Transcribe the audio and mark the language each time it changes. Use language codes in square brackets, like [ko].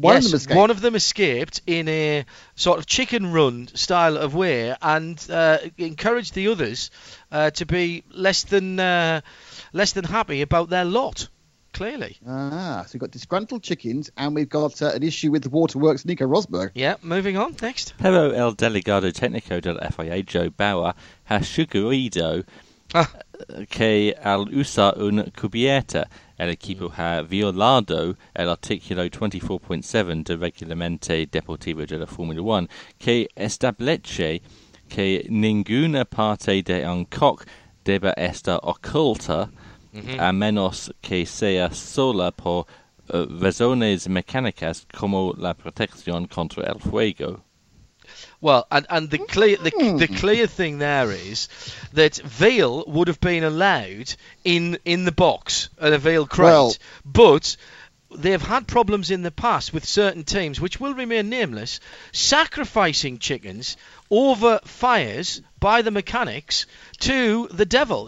[en] One of them escaped in a sort of chicken run style of way and encouraged the others to be less than happy about their lot, clearly. Ah, so we've got disgruntled chickens and we've got an issue with the waterworks Nico Rosberg. Yeah, moving on, next. [es] Pero el delegado técnico del FIA, Joe Bauer, ha sugerido que al usar una cubierta, el equipo ha violado el artículo 24.7 del Reglamento Deportivo de la Fórmula 1, que establece que ninguna parte de un coc debe estar oculta, a menos que sea sola por razones mecánicas como la protección contra el fuego. [en] Well, and the clear thing there is that veal would have been allowed in the box at a veal crate, well, but they've had problems in the past with certain teams, which will remain nameless, sacrificing chickens over fires by the mechanics to the devil.